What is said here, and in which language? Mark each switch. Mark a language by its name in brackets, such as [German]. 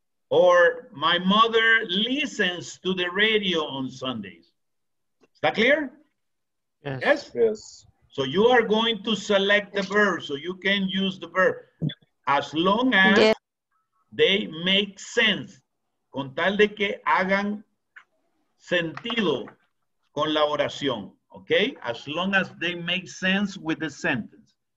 [English] Or my mother listens to the radio on Sundays. Is that clear? Yes. Yes. So you are going to select the verb so you can use the verb as long as they make sense. [Spanish] Con tal de que hagan sentido con la oración. [English] Okay? As long as they make sense with the sentence.